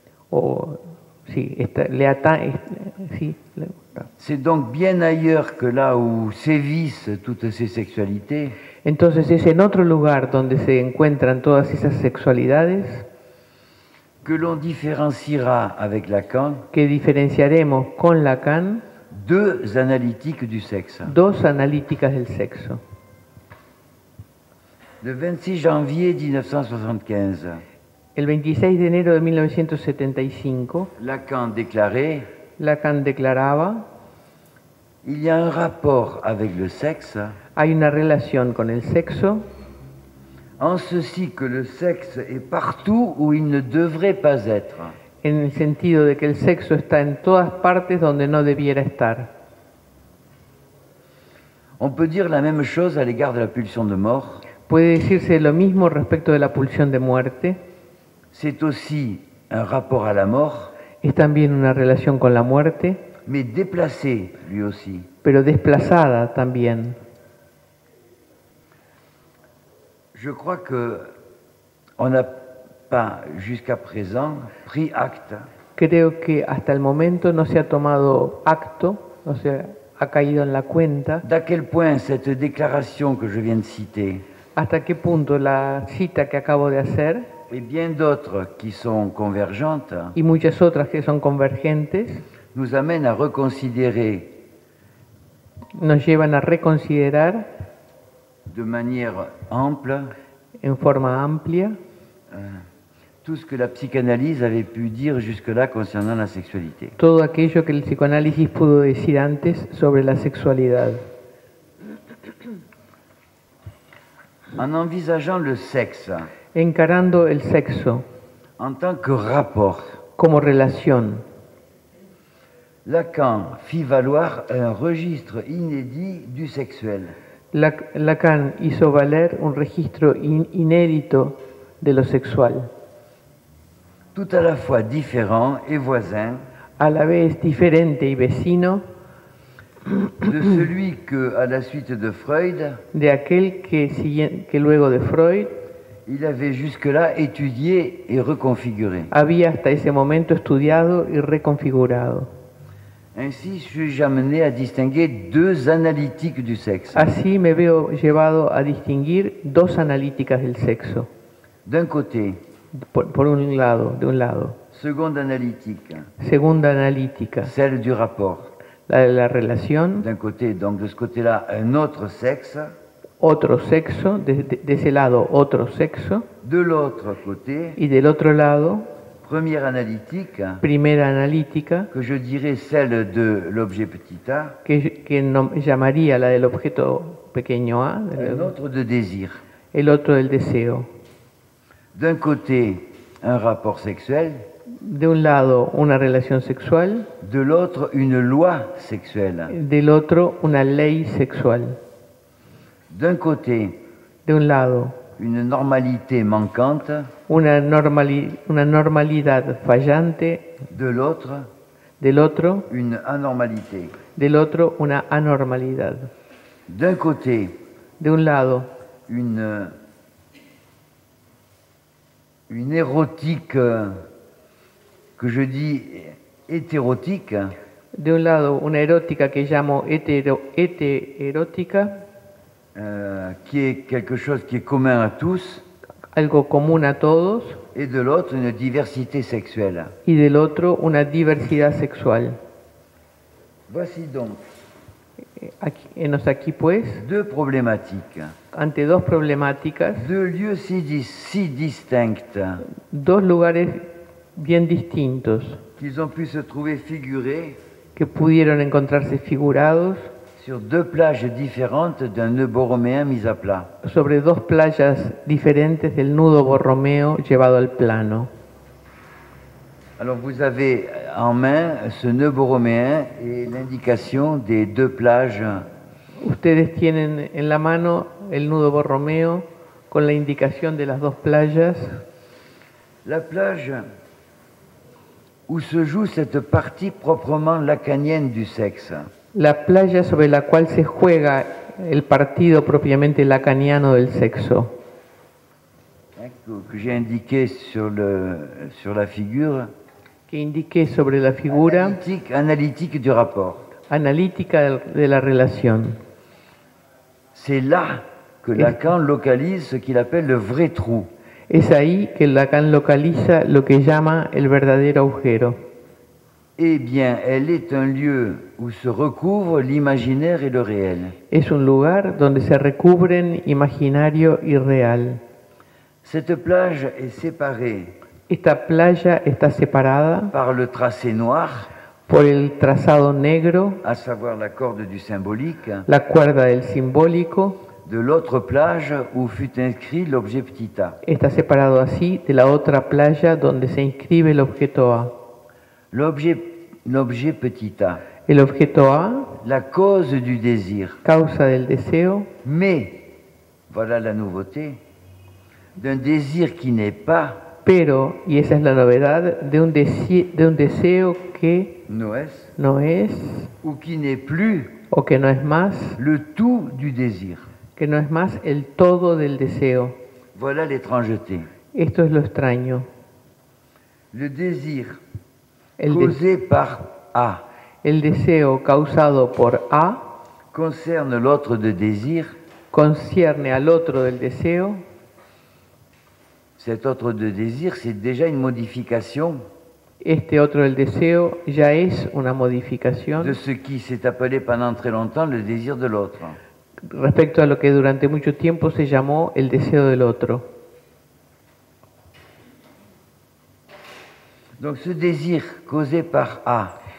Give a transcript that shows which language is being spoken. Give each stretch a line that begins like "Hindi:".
Spanish: O, sí, esta, le atañe, sí, le...
French: C'est donc bien ailleurs que là où sévissent toutes ces sexualités.
Spanish: Entonces es en otro lugar donde se encuentran todas esas sexualidades.
French: Que l'on différenciera avec Lacan.
Spanish: Que diferenciaremos con Lacan.
French: Deux analytiques du sexe.
Spanish: Dos analíticas del sexo.
French: Le 26 janvier 1975.
Spanish: El 26 de enero de 1975, Lacan declaraba:
French: il y a un rapport avec le sexe.
Spanish: Hay una relación con el sexo.
French: En ceci que le sexe est partout où il ne devrait pas être.
Spanish: En el sentido de que el sexo está en todas partes donde no debiera estar.
French: On peut dire la même chose à l'égard de la pulsion de mort.
Spanish: Puede decirse lo mismo respecto de la pulsión de muerte.
French: C'est aussi un rapport à la mort.
Spanish: Es también una relación con la muerte.
French: Mais déplacée, lui aussi.
Spanish: Pero desplazada también.
French: Je crois que on n'a pas jusqu'à présent pris acte.
Spanish: Creo que hasta el momento no se ha tomado acto, no se ha caído en la cuenta.
French: D'à quel point cette déclaration que je viens de citer.
Spanish: Hasta qué punto la cita que acabo de hacer.
French: Et bien d'autres qui sont convergentes.
Spanish: Y muchas otras que son convergentes.
French: Nous amènent à reconsidérer.
Spanish: Nos llevan a reconsiderar.
French: De manière ample,
Spanish: en forma amplia,
French: tout ce que la psychanalyse avait pu dire jusque-là concernant la sexualité.
Spanish: Todo aquello que el psicoanálisis pudo decir antes sobre la sexualidad.
French: En envisageant le sexe,
Spanish: encarando el sexo,
French: en tant que rapport,
Spanish: como relación,
French: Lacan fit valoir un registre inédit du sexuel.
Spanish: Lacan hizo valer un registro inédito de lo sexual.
French: Tout à la fois différent et voisin,
Spanish: a la vez diferente y vecino,
French: de celui que à la suite de Freud,
Spanish: de aquel que luego de Freud,
French: il avait jusque-là étudié et reconfiguré.
Spanish: Había hasta ese momento estudiado y reconfigurado.
French: Ainsi, suis-je amené à distinguer deux analytiques du sexe.
Spanish: Así me veo llevado a distinguir dos analíticas del sexo.
French: D'un côté.
Spanish: Por un lado.
French: Seconde analytique.
Spanish: Segunda analítica.
French: Celle du rapport.
Spanish: La de la relación.
French: D'un côté, donc de ce côté-là, un autre sexe.
Spanish: Otro sexo, de ese lado, otro sexo.
French: De l'autre côté.
Spanish: Y del otro lado.
French: Première analytique,
Spanish: primera analítica,
French: que je dirais celle de l'objet petit a,
Spanish: que llamaría la del objeto pequeño a,
French: l'autre de désir,
Spanish: el otro del deseo.
French: D'un côté, un rapport sexuel,
Spanish: de un lado una relación sexual,
French: de l'autre une loi sexuelle,
Spanish: del otro una ley sexual.
French: D'un côté,
Spanish: de un lado,
French: une normalité manquante,
Spanish: una normalidad fallante, del otro
French: une anormalité,
Spanish: del otro una anormalidad.
French: D'un côté,
Spanish: de un lado,
French: une érotique que je dis hétérotique,
Spanish: de un lado una erótica que llamo hétérotica,
French: qui est quelque chose qui est commun à tous,
Spanish: algo común a todos,
French: et de l'autre une diversité sexuelle,
Spanish: y del otro una diversidad sexual.
French: Voici donc,
Spanish: aquí pues,
French: deux problématiques,
Spanish: ante dos problemáticas,
French: deux lieux si distincts,
Spanish: dos lugares bien distintos,
French: qu'ils ont pu se trouver figurés,
Spanish: que pudieron encontrarse figurados,
French: sur deux plages différentes d'un nœud borroméen mis à plat.
Spanish: Sobre dos playas diferentes del nudo borromeo llevado al plano.
French: Alors vous avez en main ce nœud borroméen et l'indication des deux plages.
Spanish: Ustedes tienen en la mano el nudo borromeo con la indicación de las dos playas.
French: La plage où se joue cette partie proprement lacanienne du sexe.
Spanish: La playa sobre la cual se juega el partido propiamente lacaniano del sexo.
French: Que j'ai indiqué sur la figure.
Spanish: Que indiqué sobre la figura.
French: Analytique du rapport.
Spanish: Analítica de la relación.
French: C'est là que Lacan localise ce qu'il appelle le vrai trou.
Spanish: Es ahí que Lacan localiza lo que llama el verdadero agujero.
French: Eh bien, elle est un lieu où se recouvre l'imaginaire et le réel.
Spanish: Es un lugar donde se recubren imaginario y real.
French: Cette plage est séparée.
Spanish: Esta playa está separada
French: par le tracé noir,
Spanish: por el trazado negro,
French: à savoir la corde du symbolique,
Spanish: la cuerda del simbólico,
French: de l'autre plage où fut inscrit l'objet petit a.
Spanish: Está separado así de la otra playa donde se inscribe el objeto A.
French: L'objet petit a.
Spanish: El objeto A.
French: La cause du désir.
Spanish: Causa del deseo.
French: Mais, voilà la nouveauté, d'un désir qui n'est pas.
Spanish: Pero, y esa es la novedad, de un deseo que no es, no es,
French: ou qui n'est plus,
Spanish: o que no es más,
French: le tout du désir.
Spanish: Que no es más el todo del deseo.
French: Voilà l'étrangeté.
Spanish: Esto es lo extraño.
French: Le désir causé par A.
Spanish: El deseo causado por A
French: concerne l'autre de désir.
Spanish: Concierne al otro del deseo.
French: Cet autre de désir, c'est déjà une modification.
Spanish: Este otro del deseo ya es una modificación.
French: De ce qui s'est appelé pendant très longtemps le désir de l'autre.
Spanish: Respecto a lo que durante mucho tiempo se llamó el deseo del otro.
French: Donc ce désir causé par A.